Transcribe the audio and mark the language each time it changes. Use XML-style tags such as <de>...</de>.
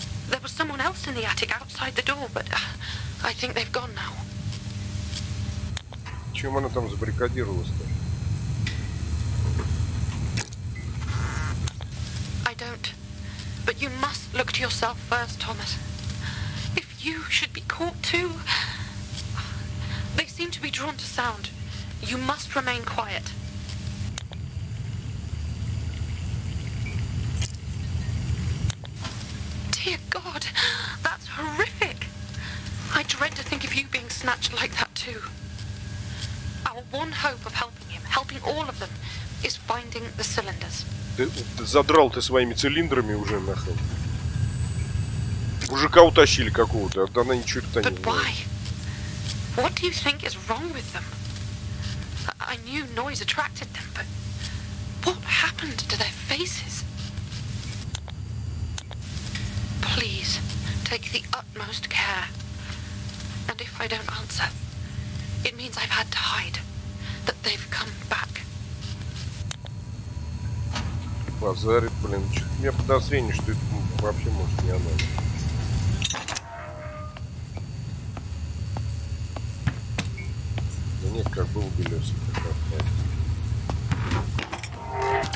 <en>There was someone else in the attic outside the door, but I think they've gone now.</en> <ru>Чем она там забаррикадировалась-то?</ru> <en>But you must look to yourself first, Thomas. If you should be caught too... They seem to be drawn to sound. You must remain quiet. Dear God, that's horrific! I dread to think of you being snatched like that too. Our one hope of helping him, helping all of them, is finding the cylinders.</en> <ru>Ты задрал ты своими цилиндрами уже нахрен. Мужика утащили какого-то, а она ничего это не знает.</ru> <en>Why? What do you think is wrong with them? I knew noise attracted them, but what happened to their faces? Please take the utmost care. And if I don't answer, it means I've had to hide. That they've come back.</en> <ru>Базарит, блин, что-то у меня подозрение, что это вообще может не она. Да нет, как бы убили все такое.</ru>